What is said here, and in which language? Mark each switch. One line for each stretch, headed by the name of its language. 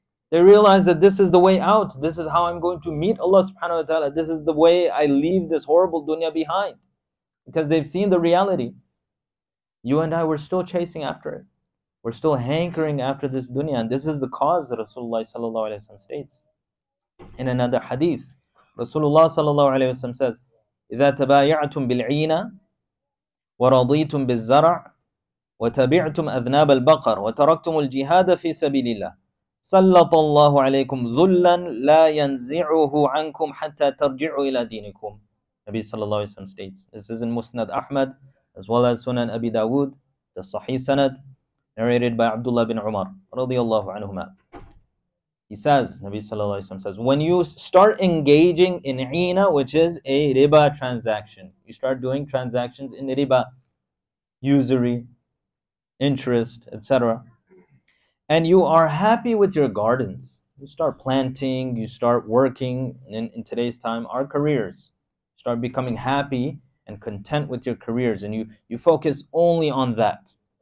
English: They realize that this is the way out. This is how I'm going to meet Allah subhanahu wa ta'ala. This is the way I leave this horrible dunya behind. Because they've seen the reality. You and I, we're still chasing after it. We're still hankering after this dunya. And this is the cause that Rasulullah sallallahu alayhi wa sallam states. In another hadith, Rasulullah sallallahu alayhi wa sallam says,
Arabic: إِذَا تَبَايَعْتُمْ بِالْعِينَ وَرَضِيتُمْ بِالزَّرَعِ وَتَبِعْتُمْ أَذْنَابَ الْبَقَرِ وَتَرَكْتُمُ الْجِهَادَ فِي سَبِيلِ اللَّهِ سَلَّطَ اللَّهُ عَلَيْكُمْ ذُلًّا لَا يَنْزِعُهُ عَنْكُمْ حَتَّى تَرْجِعُوا إِلَىٰ دِينِكُمْ.
English: Nabi sallallahu alayhi wa sallam states. This is in Musnad Ahmad, as well as Sunan Abi Dawood, the Sahih Sanad, narrated by Abdullah bin Umar, radiyallahu anhuma. He says, Nabi sallallahu alayhi wa sallam says, when you start engaging in ina, which is a riba transaction, you start doing transactions in riba, usury, interest, etc., and you are happy with your gardens, you start planting, you start working in today's time, our careers, start becoming happy and content with your careers, and you focus only on that,